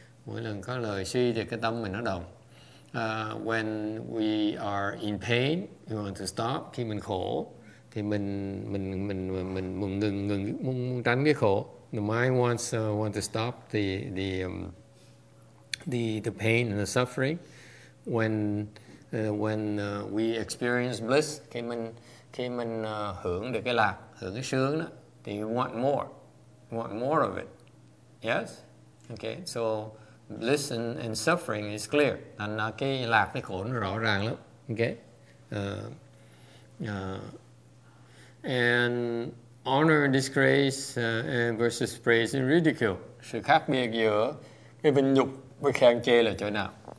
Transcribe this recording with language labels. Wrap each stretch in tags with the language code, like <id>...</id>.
<vi>Mỗi lần có lời suy thì cái tâm mình nó động.</vi> <en>When we are in pain, we want to stop.</en> <vi>Khi mình khổ, thì mình ngừng tránh cái khổ.</vi> <en>The mind wants want to stop the pain and the suffering. When we experience bliss,</en> <vi>khi mình hưởng được cái lạc, hưởng cái sướng đó, thì</vi> <en>we want more of it.</en> <vi>Yes. Okay. So.</vi> <en>Listen and suffering is clear.</en> <vi>Thành cái lạc cái khổ nó rõ ràng lắm.</vi> <en>Okay? And honor, disgrace, and versus praise and ridicule.</en> <vi>Sự khác biệt giữa cái vinh nhục với khen chê là chỗ nào?</vi>